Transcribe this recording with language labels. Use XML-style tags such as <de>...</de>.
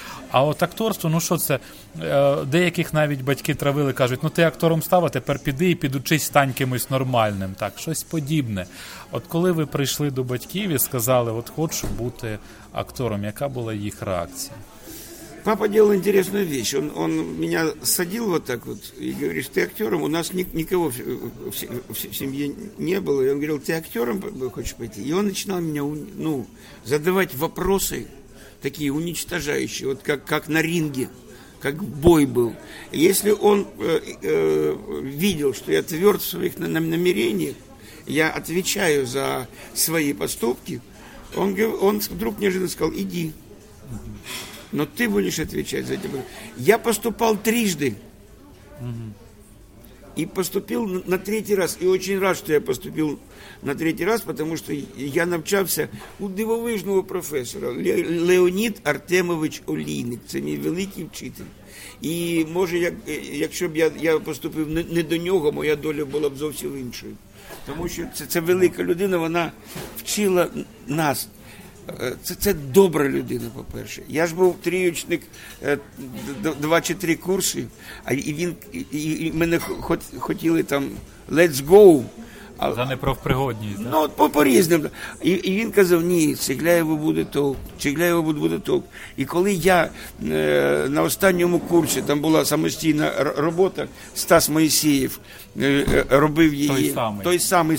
<uk>А от акторство, ну що це, деяких навіть батьки травили, кажуть, ну ти актором став, а тепер піди і підучись, стань кимось нормальним, так, щось подібне. От коли ви прийшли до батьків і сказали, от хочу бути актором, яка була їх реакція?</uk> <ru>Папа делал интересную вещь. Он меня садил вот так вот и говорит, ты актером. У нас никого в семье не было. И он говорил, ты актером хочешь пойти? И он начинал меня задавать вопросы такие уничтожающие, вот как на ринге, как бой был. Если он видел, что я тверд в своих намерениях, я отвечаю за свои поступки, он вдруг неожиданно сказал, иди. Но ты будешь отвечать за эти вопросы. Я поступал трижды. И поступил на третий раз. И очень рад, что я поступил на третий раз, потому что я</ru> <uk>навчався у дивовижного</uk> <ru>профессора Леонід Артемович Олійник.</ru> <uk>Це мій великий вчитель. І, може, якщо б я поступив не до нього, моя доля була б зовсім іншою. Тому що це велика людина, вона вчила нас. Це добра людина, по-перше. Я ж був трійочник 2 чи 3 курси, і мене хотіли там</uk> <en>let's go.</en> <uk>За непрофпригодність, так? Ну, по-різному. І він казав, ні, Цегляєву буде толк. І коли я на останньому курсі, там була самостійна робота, Стас Моїсеєв робив її. Той самий</uk>